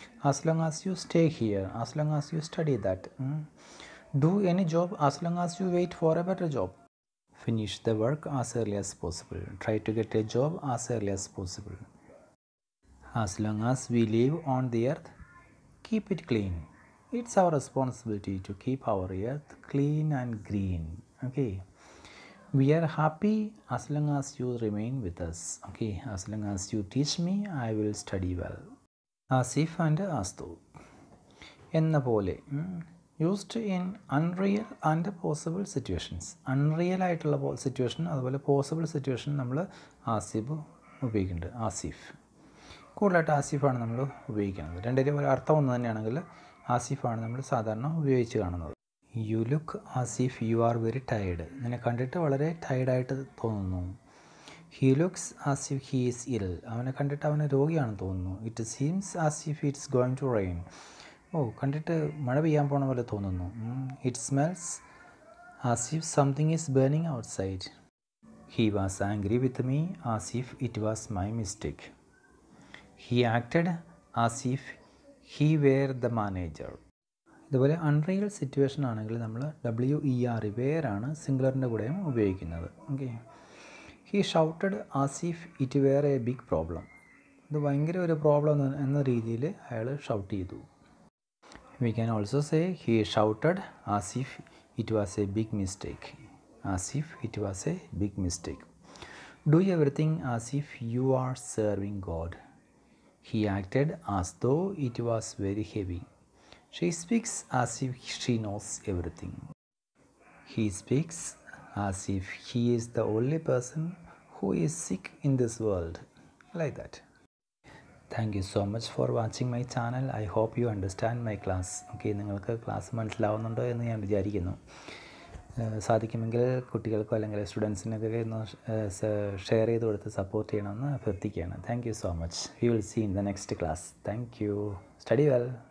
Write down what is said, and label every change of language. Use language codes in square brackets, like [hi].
[en] As long as you stay here. As long as you study that. Do any job. As long as you wait for a better job. Finish the work as early as possible. Try to get a job as early as possible. As long as we leave on the earth keep it clean. It's our responsibility to keep our earth clean and green. Okay. We are happy as long as you remain with us. Okay. As long as you teach me, I will study well. As if and as though. [ml] Enna pole. [en] Used in unreal and possible situations. Unreal [ml] aayittulla [en] situation, [ml] adhu pole [en] possible situation, [ml] nammal [en] as if [ml] ഉപയോഗിക്കുന്നുണ്ട്. ആസിഫ് കൂടുതലായിട്ട് ആസിഫാണ് നമ്മൾ ഉപയോഗിക്കുന്നത്. രണ്ടേരും ഒരു അർത്ഥം ഒന്ന് തന്നെയാണെങ്കിൽ ആസിഫാണ് നമ്മൾ സാധാരണ ഉപയോഗിച്ച് കാണുന്നത്. [en] You look as if you are very tired. [ml] ഇങ്ങനെ കണ്ടിട്ട് വളരെ ടയേർഡായിട്ട് തോന്നുന്നു. [en] He looks as if he is ill. [ml] അവനെ കണ്ടിട്ട് അവനെ രോഗിയാണെന്ന് തോന്നുന്നു. [en] It seems as if it's going to rain. [ml] ഓ, കണ്ടിട്ട് മഴ പെയ്യാൻ പോണ പോലെ തോന്നുന്നു. [en] It smells as if something is burning outside. He was angry with me as if it was my mistake. He acted as if he were the manager. [ml] ഇതുപോലെ unreal situation ആണെങ്കിൽ നമ്മൾ W E R വേറാണ് സിംഗുലറിൻ്റെ കൂടെ ഉപയോഗിക്കുന്നത്. Okay. [en] He shouted as if it were a big problem. [ml] ഇത് ഭയങ്കര ഒരു problem എന്ന രീതിയിൽ അയാൾ ഷൗട്ട് ചെയ്തു. [en] We can also say he shouted as if it was a big mistake. As if it was a big mistake. Do everything as if you are serving God. He acted as though it was very heavy. She speaks as if she knows everything. He speaks as if he is the only person who is sick in this world. Like that. Thank you so much for watching my channel. I hope you understand my class. [ml] Okay, നിങ്ങൾക്ക് class മനസ്സിലാവുന്നുണ്ടോ എന്ന് ഞാൻ വിചാരിക്കുന്നു. സാധിക്കുമെങ്കിൽ കുട്ടികൾക്കോ അല്ലെങ്കിൽ സ്റ്റുഡൻസിനൊക്കെ ഒന്ന് share ചെയ്ത് കൊടുത്ത് സപ്പോർട്ട് ചെയ്യണമെന്ന് അഭ്യർത്ഥിക്കുകയാണ്. [en] Thank you so much. We will see in the next class. Thank you. Study well.